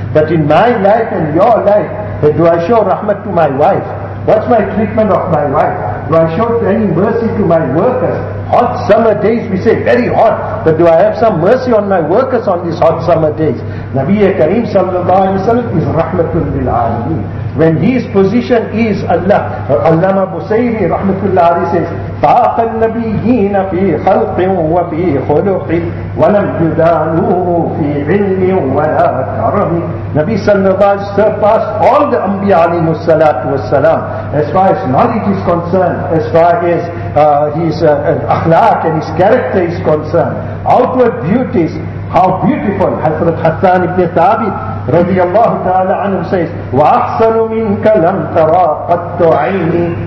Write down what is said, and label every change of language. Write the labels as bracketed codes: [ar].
[en] But in my life and your life, do I show Rahmat to my wife? What's my treatment of my wife? Do I show any mercy to my workers? Hot summer days, we say, very hot. But do I have some mercy on my workers on these hot summer days? Nabi Kareem sallallahu alayhi wa sallam is rahmatul lil alameen. When his position is Allah, Allama Busayri rahmatullah alayhi says, [ar] فَاقَ النَّبِيِّينَ فِي خَلْقٍ وَفِي خُلُقٍ وَلَمْ يُدَانُوهُ فِي عِلْمٍ وَلَا كَرَمٍ. [en] Nabi sallallahu alayhi wa sallam surpassed all the Anbiya alayhi salatu wa sallam as far as knowledge is concerned, as far as his akhlaq and his character is concerned. Outward beauties, how beautiful. Hazrat Hassan ibn Thabit radiyallahu ta'ala anhu says, [ar] وَأَحْسَنُ مِنْكَ لَمْ تَرَى قَدْتُ عَيْنِي.